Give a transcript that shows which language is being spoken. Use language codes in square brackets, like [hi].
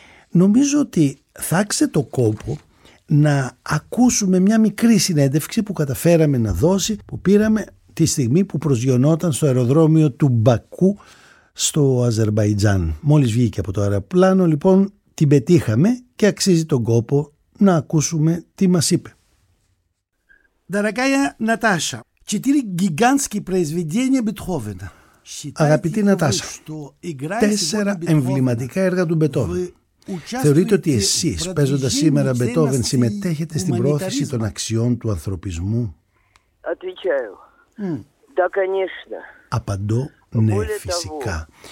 [el] Νομίζω ότι θα άξε το κόπο να ακούσουμε μια μικρή συνέντευξη που καταφέραμε να δώσει, που πήραμε τη στιγμή που προσγειωνόταν στο αεροδρόμιο του Μπακού στο Αζερμπαϊτζάν. Μόλις βγήκε από το αεροπλάνο, λοιπόν, την πετύχαμε και αξίζει τον κόπο να ακούσουμε τι μας είπε. [ru] Дорогая Наташа, четыре гигантские произведения Бетховена. [el] Αγαπητή Νατάσα, τέσσερα εμβληματικά έργα του Μπετόβεν. Θεωρείτε ότι εσείς, παίζοντας σήμερα Μπετόβεν, συμμετέχετε στην πρόθεση των αξιών του ανθρωπισμού? [ru] Отвечаю. Да, конечно. [el] Απαντώ, ναι, φυσικά.